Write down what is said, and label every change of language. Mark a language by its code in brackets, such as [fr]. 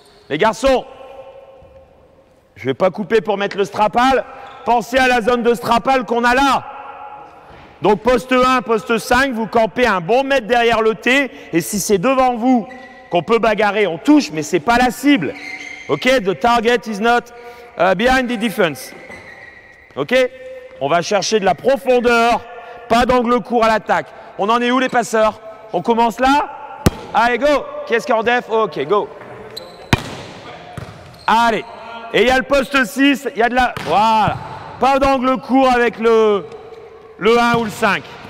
[fr] Les garçons, je vais pas couper pour mettre le strapal. Pensez à la zone de strapal qu'on a là. Donc poste 1, poste 5, vous campez un bon mètre derrière le T. Et si c'est devant vous qu'on peut bagarrer, on touche, mais c'est pas la cible. [en] Ok, the target is not behind the defense. [fr] Ok, on va chercher de la profondeur, pas d'angle court à l'attaque. On en est où les passeurs? On commence là? Allez, go! Qui est-ce qui est en def? Ok, go! Allez, et il y a le poste 6, il y a de la... Voilà, pas d'angle court avec le 1 ou le 5.